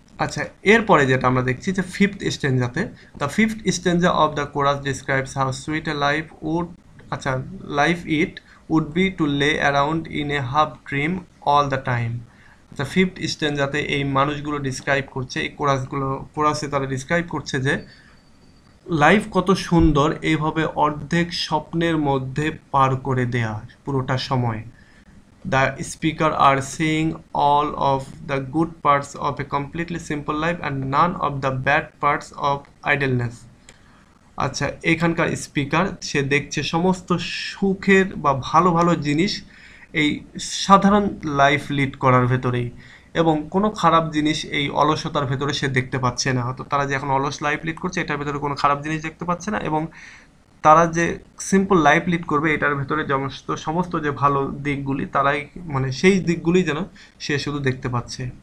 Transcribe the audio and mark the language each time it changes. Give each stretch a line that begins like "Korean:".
Bangla: আচ্ছা এরপরে যেটা আমরা দেখছি যে fifth স্ট্যান্জাতে,
English: the fifth stanza of the chorus describes how sweet a life would আচ্ছা life it would be to lay around in a half dream all the time,
Bangla: the fifth স্ট্যান্জাতে এই মানুষগুলো ডিসক্রাইব করছে, এই কোরাসে তারা ডিসক্রাইব করছে যে লাইফ কত সুন্দর এইভাবে অর্ধেক স্বপ্নের মধ্যে পার করে দেয়া পুরোটা সময়,
English: The speaker are seeing all of the good parts of a completely simple life and none of the bad parts of idleness.
Bangla: আচ্ছা, এখানকার স্পিকার সে দেখছে সমস্ত সুখের বা ভালো ভালো জিনিস এই সাধারণ লাইফ লিড করার ভেতরেই, এবং কোনো খারাপ জিনিস এই অলসতার ভেতরে সে দেখতে পাচ্ছে না। তো তারা যে এখন অলস লাইফ লিড করছে এটার ভেতরে কোনো খারাপ জিনিস দেখতে পাচ্ছে না, এবং তারা যে সিম্পল লাইফ লিড করবে এটার ভেতরে সমস্ত যে ভালো দিকগুলি তারাই মানে সেই দিকগুলি যেন সে শুধু দেখতে পাচ্ছে।